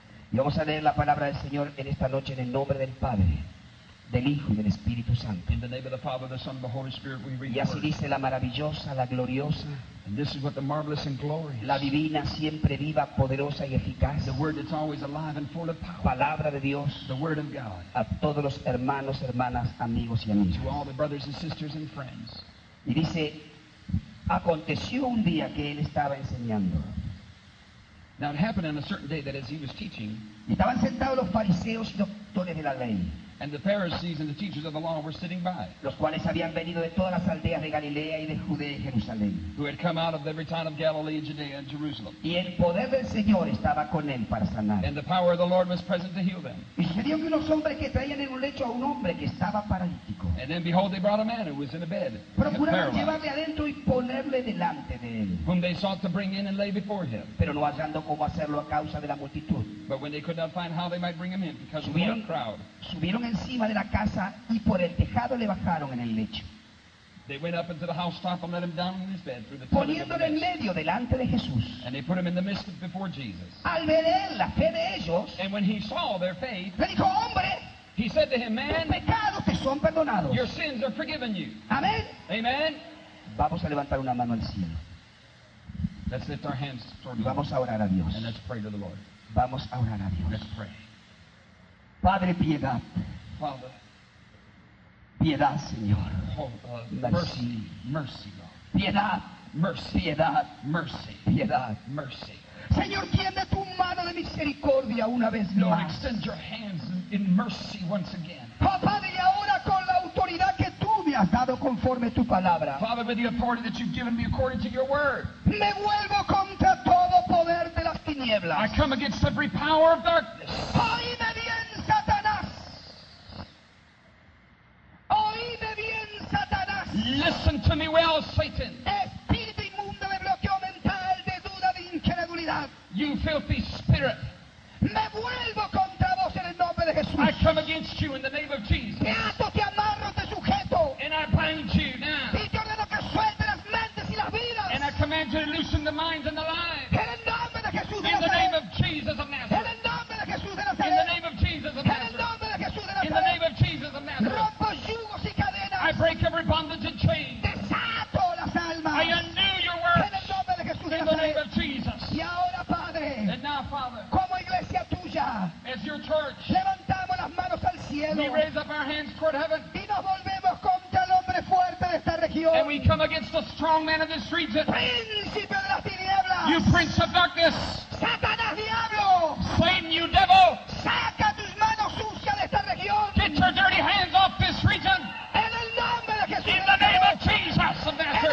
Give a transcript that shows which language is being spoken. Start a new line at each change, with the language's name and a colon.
Spanish: Y vamos a leer la palabra del Señor en esta noche en el nombre del Padre, del Hijo y del Espíritu Santo.
English: In the name of the Father, the Son, the Holy Spirit, we read.
Spanish: Y así dice la maravillosa, la gloriosa.
English: And this is what the marvelous and glorious.
Spanish: La divina, siempre viva, poderosa y eficaz.
English: The Word that's always alive and full of power.
Spanish: Palabra de Dios.
English: The Word of God.
Spanish: A todos los hermanos, hermanas, amigos y amigas.
English: To all the brothers and sisters and friends.
Spanish: Y dice, aconteció un día que él estaba enseñando.
English: Now it happened on a certain day that as he was teaching,
Spanish: estaban sentados los fariseos y doctores de la ley,
English: and the Pharisees and the teachers of the law were sitting by,
Spanish: los cuales habían venido de todas las aldeas de Galilea y de Judea y Jerusalén,
English: who had come out of every town of Galilee and Judea and Jerusalem.
Spanish: Y el poder del Señor estaba con él para sanar.
English: And the power of the Lord was present to heal them.
Spanish: Y sucedió que unos hombres que traían en un lecho a un hombre que estaba paralítico.
English: And then behold, they brought a man who was in a bed,
Spanish: procuraron llevarle adentro y ponerle delante de él,
English: whom they sought to bring in and lay before him.
Spanish: Pero no hallando cómo hacerlo a causa de la multitud.
English: But when they could not find how they might bring him in because of the crowd,
Spanish: subieron encima de la casa y por el tejado le bajaron en el lecho.
English: They went up into the housetop and let him down in his bed through the
Spanish: poniéndole en medio delante de Jesús.
English: And they put him in the midst before Jesus.
Spanish: Al ver él la fe de ellos,
English: and when he saw their faith,
Spanish: le dijo, hombre,
English: he said to him, man,
Spanish: tus pecados te son perdonados.
English: Your sins are forgiven you.
Spanish: Amén.
English: Amen.
Spanish: Vamos a levantar una mano al cielo.
English: Let's lift our hands toward God.
Spanish: Vamos a orar a Dios.
English: And let's pray to the Lord.
Spanish: Vamos a orar a Dios.
English: Let's pray.
Spanish: Padre, piedad.
English: Father.
Spanish: Piedad, Señor.
English: Mercy. Mercy, Lord.
Spanish: Piedad.
English: Mercy.
Spanish: Piedad.
English: Mercy.
Spanish: Piedad.
English: Mercy.
Spanish: Señor, tiende tu mano de misericordia una vez más.
English: Lord, extend your hands in mercy once again.
Spanish: Oh, Padre, y ahora con la autoridad que tú me has dado conforme tu palabra.
English: Father, with the authority that you've given me according to your word.
Spanish: Me vuelvo contra todo poder de las tinieblas.
English: I come against every power of darkness.
Spanish: Oíme bien, Satanás. Oíme bien, Satanás.
English: Listen to me well, Satan.
Spanish: Espíritu inmundo de bloqueo mental, de duda, de incredulidad.
English: You filthy spirit.
Spanish: Me vuelvo contra vos en el nombre de Jesús.
English: I come against you in the name of Jesus.
Spanish: Te ato, te amarro, te sujeto.
English: And I bind you now.
Spanish: Y te ordeno que suelte las mentes y las vidas.
English: And I command you to loosen the minds and the lives.
Spanish: En el nombre de Jesús.
English: In the name of Jesus of Nazareth.
Spanish: En el nombre de Jesús de Nazaret.
English: In the name of Jesus of Nazareth.
Spanish: En el nombre de Jesús de Nazaret.
English: In the name of Jesus of Nazareth.
Spanish: Rompo yugos y cadenas.
English: I break every bondage and chain.
Spanish: Desato las almas.
English: I undo your works. Nazaret. In the name of Jesus.
Spanish: Y ahora, Padre.
English: And now, Father.
Spanish: Como iglesia tuya.
English: As your church.
Spanish: Levantamos las manos al cielo.
English: We raise up our hands toward heaven.
Spanish: Y nos volvemos contra el hombre fuerte de esta región.
English: And we come against the strong man of this region.
Spanish: Príncipe de las tinieblas.
English: You prince of darkness.
Spanish: Satanás, diablo.
English: Satan, you devil.
Spanish: Saca tus manos sucias de esta región.
English: Get your dirty hands off this region.
Spanish: En el nombre de Jesús.
English: In the name of Jesus of Nazareth.